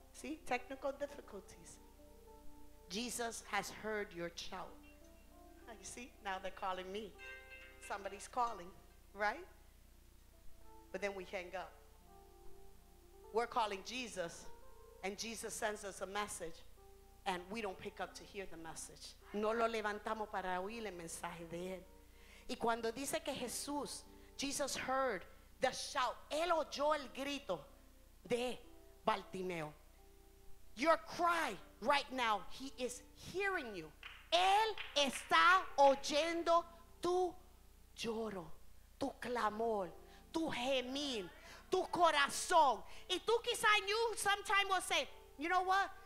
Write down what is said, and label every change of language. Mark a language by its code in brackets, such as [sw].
[en] See, technical difficulties. Jesus has heard your shout. You see, now they're calling me. Somebody's calling, right? But then we hang up. We're calling Jesus, and Jesus sends us a message. And we don't pick up to hear the message. [es] No lo levantamos para oír el mensaje de él. Y cuando dice que Jesús, [en] Jesus heard the shout. [es] Él oyó el grito de Bartimeo. [en] Your cry right now, he is hearing you. [es] Él está oyendo tu lloro, tu clamor, tu gemir, tu corazón. Y tú quizá [en] you sometime will say, you know what?